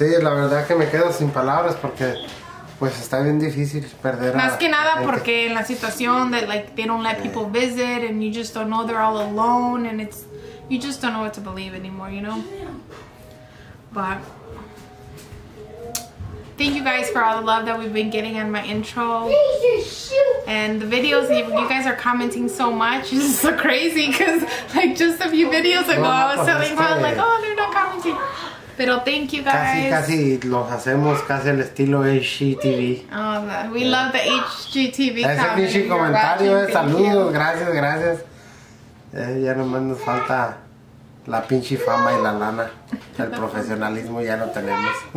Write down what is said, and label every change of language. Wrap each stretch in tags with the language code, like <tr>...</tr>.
<es>Sí, la verdad que me quedo sin palabras porque pues está bien difícil perder. Más que nada porque en la situación</es> <en>that like they don't let people visit and you just don't know, they're all alone and it's, you just don't know what to believe anymore, you know. But thank you guys for all the love that we've been getting on my intro and the videos. You guys are commenting so much. It's so crazy because like just a few videos ago I was telling Paul like, oh, they're not commenting. Pero thank you guys.</en> <es>Casi, casi los hacemos casi el estilo HGTV.</es> <en>Oh, we love the HGTV.</en> <es>Ese pinche comentario es saludos, gracias, gracias. Ya nomás nos falta la pinche fama y la lana. El profesionalismo ya lo tenemos.</es>